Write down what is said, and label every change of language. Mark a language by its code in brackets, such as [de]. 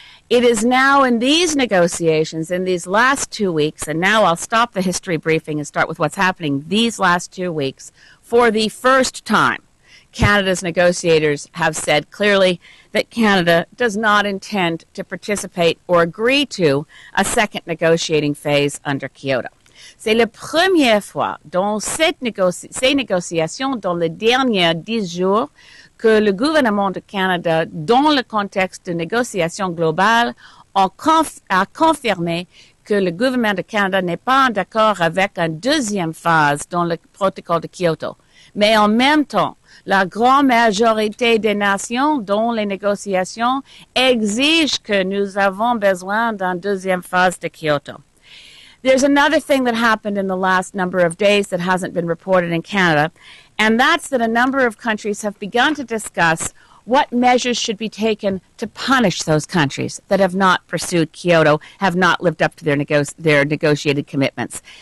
[en] It is now in these negotiations, in these last 2 weeks, and now I'll stop the history briefing and start with what's happening these last 2 weeks, for the first time, Canada's negotiators have said clearly that Canada does not intend to participate or agree to a second negotiating phase under Kyoto. [fr] C'est la première fois dans ces négociations, dans les derniers 10 jours, que le gouvernement du Canada, dans le contexte de négociations globales, a confirmé que le gouvernement du Canada n'est pas d'accord avec une deuxième phase dans le protocole de Kyoto. Mais en même temps, la grande majorité des nations dans les négociations exige que nous avons besoin d'une deuxième phase de Kyoto. [en] There's another thing that happened in the last number of days that hasn't been reported in Canada, and that's that a number of countries have begun to discuss what measures should be taken to punish those countries that have not pursued Kyoto, have not lived up to their negotiated commitments.